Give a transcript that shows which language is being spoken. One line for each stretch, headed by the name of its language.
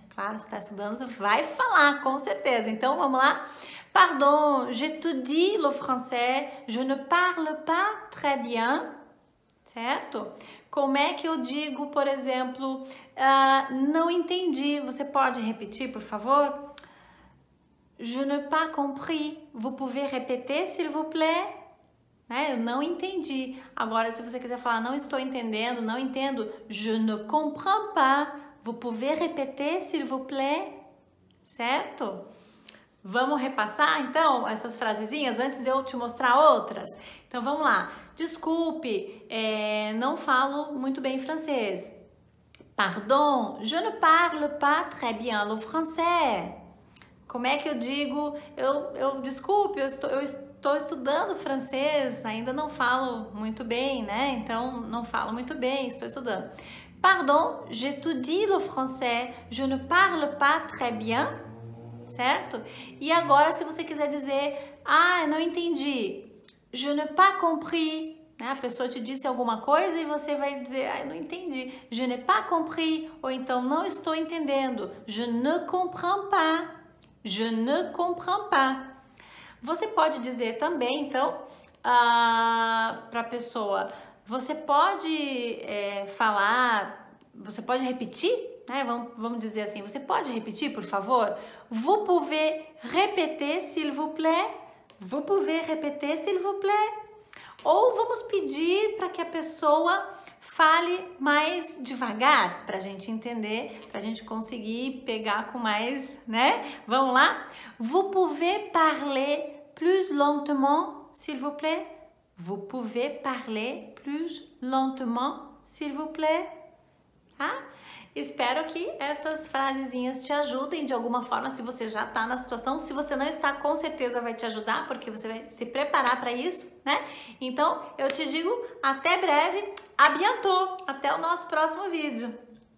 Portuguese: Claro, você está estudando, você vai falar, com certeza. Então, vamos lá.
French: Pardon, j'étudie le français, je ne parle pas très bien.
Portuguese: Certo? Como é que eu digo, por exemplo, não entendi. Você pode repetir, por favor?
French: Je ne pas compris. Vous pouvez répéter, s'il vous plaît?
Portuguese: Né? Eu não entendi. Agora, se você quiser falar, não estou entendendo, não entendo.
French: Je ne comprends pas. Vous pouvez répéter, s'il vous plaît?
Portuguese: Certo? Vamos repassar, então, essas frasezinhas antes de eu te mostrar outras? Então, vamos lá. Desculpe, não falo muito bem francês.
French: Pardon, je ne parle pas très bien le français.
Portuguese: Como é que eu digo? Desculpe, eu estou estudando francês, ainda não falo muito bem, né? Então, não falo muito bem, estou estudando.
French: Pardon, j'étudie le français, je ne parle pas très bien,
Portuguese: certo? E agora, se você quiser dizer, eu não entendi,
French: je ne pas compris,
Portuguese: né? A pessoa te disse alguma coisa e você vai dizer, eu não entendi,
French: je ne pas compris,
Portuguese: ou então, não estou entendendo,
French: je ne comprends pas,
Portuguese: je ne comprends pas. Você pode dizer também, então, para a pessoa, você pode falar, você pode repetir, né? Vamos dizer assim, você pode repetir, por favor?
French: Vous pouvez répéter, s'il vous plaît? Vous pouvez répéter, s'il vous plaît?
Portuguese: Ou vamos pedir para que a pessoa fale mais devagar, para a gente entender, para a gente conseguir pegar com mais, né? Vamos lá?
French: Vous pouvez parler plus lentement, s'il vous plaît? Vous pouvez parler plus lentement, s'il vous plaît.
Portuguese: Tá? Espero que essas frasezinhas te ajudem de alguma forma, se você já está na situação. Se você não está, com certeza vai te ajudar, porque você vai se preparar para isso, né? Então, eu te digo até breve,
French: à bientôt,
Portuguese: até o nosso próximo vídeo.